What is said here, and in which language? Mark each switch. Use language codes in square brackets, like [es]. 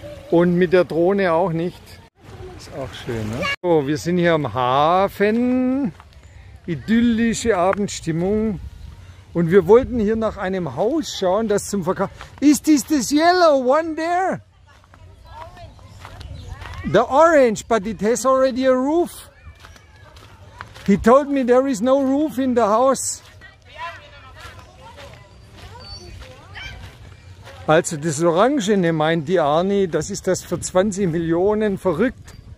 [de] Und mit der Drohne auch nicht. Ist auch schön, ne? So, wir sind hier am Hafen. Idyllische Abendstimmung. Und wir wollten hier nach einem Haus schauen, das zum Verkauf... Ist das das [en] yellow one there? The orange, but it has already a roof. He told me there is no roof in the house. [de] Also das Orangene, meint die Arnie, das ist das für 20 Millionen, verrückt.